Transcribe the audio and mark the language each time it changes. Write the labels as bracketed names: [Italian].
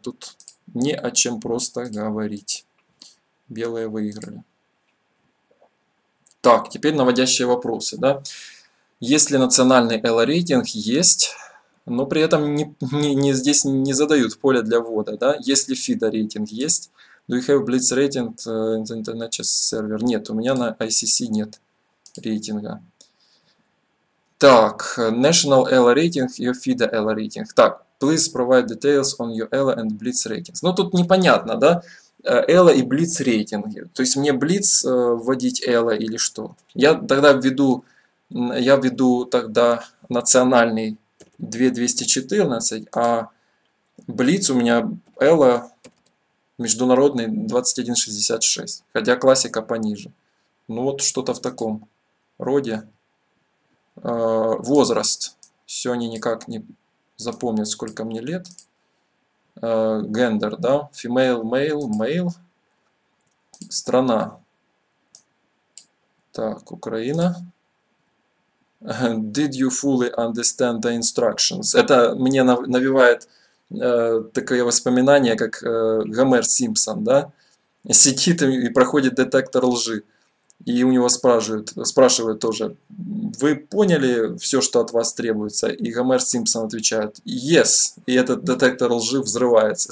[Russian] Тут не о чем просто говорить. Белые выиграли. Так, теперь наводящие вопросы, да? Есть ли национальный эло-рейтинг? Есть. Но при этом здесь не задают поле для ввода, да? Есть ли FIDE-рейтинг? Есть. [English] Do you have Blitz rating in the internet chess server? [Russian] Нет, у меня на ICC нет рейтинга. [English] Так, National Elo Rating, your FIDE Elo Rating. Так, please provide details on your Elo and Blitz ratings. [Russian] Ну, тут непонятно, да? Elo и Blitz рейтинги. То есть мне Blitz вводить Elo или что? Я введу тогда национальный 2214, а Blitz у меня Elo международный 2166, хотя классика пониже. Ну вот что-то в таком роде. Возраст. Все, они никак не запомнят, сколько мне лет. Гендер, да? [English] Female, male. [Russian] Страна. Так, Украина. [English] Did you fully understand the instructions? [Russian] Это мне навевает такое воспоминание, как Гомер Симпсон, да? Сидит и проходит детектор лжи. И у него спрашивают тоже: «Вы поняли все, что от вас требуется?» И Гомер Симпсон отвечает: [English] «Yes!» [Russian] И этот детектор лжи взрывается.